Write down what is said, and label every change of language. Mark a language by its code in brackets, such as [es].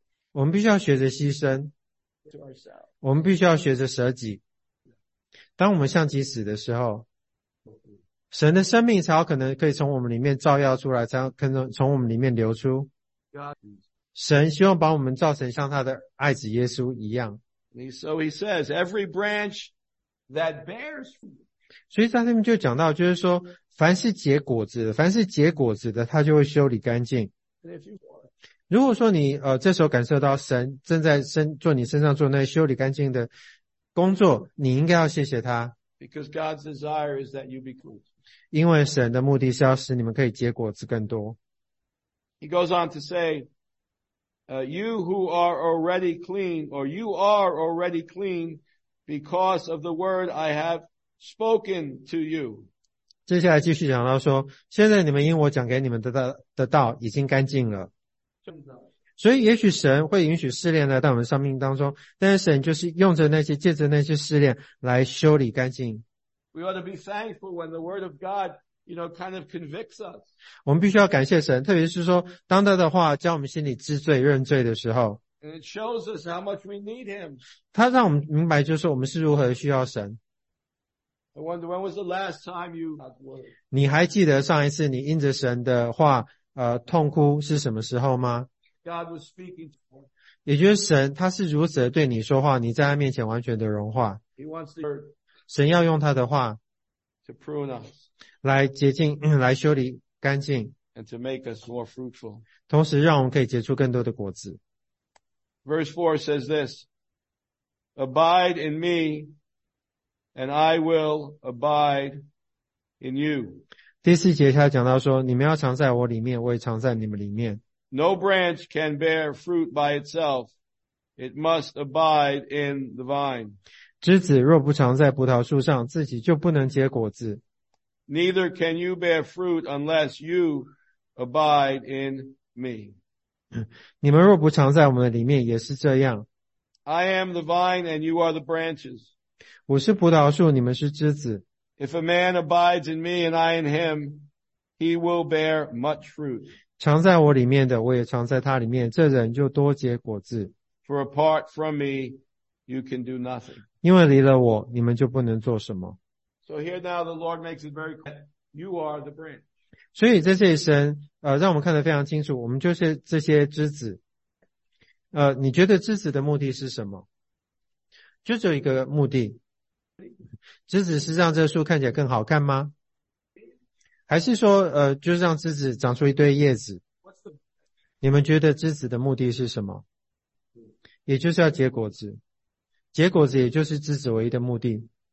[zh] 我们必须要学着牺牲我们必须要学着舍己当我们向己死的时候神的生命才有可能可以从我们里面照耀出来才可能从我们里面流出神希望把我们造成像他的爱子耶稣一样 [en] So he says, every branch that bears fruit. [zh] 所以在这边就讲到，就是说，凡是结果子的，他就会修理干净。如果说你这时候感受到神正在做你身上做那些修理干净的工作，你应该要谢谢他。 [en] Because God's desire is that you be fruitful. [zh] 因为神的目的是要使你们可以结果子更多。 [en] He goes on to say. You who are already clean, or you are already clean because of the word I have spoken to you. [zh] 接下来继续讲到说，现在你们因我讲给你们的道已经干净了。所以也许神会允许试炼来到我们生命当中，但是神就是用着那些，借着那些试炼来修理干净。 [en] We ought to be thankful when the word of God. You know, kind of convicts us. [zh] 我们必须要感谢神，特别是说，当他的话教我们心里知罪认罪的时候。 [en] And it shows us how much we need him. [zh] 他让我们明白，就是我们是如何需要神。 [en] I wonder when was the last time you got word? [zh] 你还记得上一次你因着神的话，痛哭是什么时候吗 [en] ？God was speaking to you. [zh] 也就是神，他是如此对你说话，你在他面前完全的融化。 [en] He wants the word. [zh] 神要用他的话 [en] to prune us. [zh] 来洁净来修理干净 [en] And to make us more fruitful. [zh] 同时让我们可以结出更多的果子 [en] Verse 4 says this Abide in me and I will abide in you [zh] 第四节他讲到说你们要常在我里面我也常在你们里面 [en] No branch can bear fruit by itself It must abide in the vine [zh] 枝子若不常在葡萄树上自己就不能结果子 [en] Neither can you bear fruit unless you abide in me. [zh] 你们若不常在我们的里面也是这样。 [en] I am the vine and you are the branches. [zh] 我是葡萄树你们是枝子。 [en] If a man abides in me and I in him, he will bear much fruit. [zh] 常在我里面的我也常在他里面这人就多结果子。 [en] For apart from me, you can do nothing. [zh] 因为离了我你们就不能做什么。 [en] So here now the Lord makes it very clear, you are the branch. [zh] 所以在这里神让我们看得非常清楚我们就是这些枝子。你觉得枝子的目的是什么就只有一个目的。枝子是让这树看起来更好看吗还是说就是让枝子长出一堆叶子你们觉得枝子的目的是什么也就是要结果子。结果子也就是枝子唯一的目的。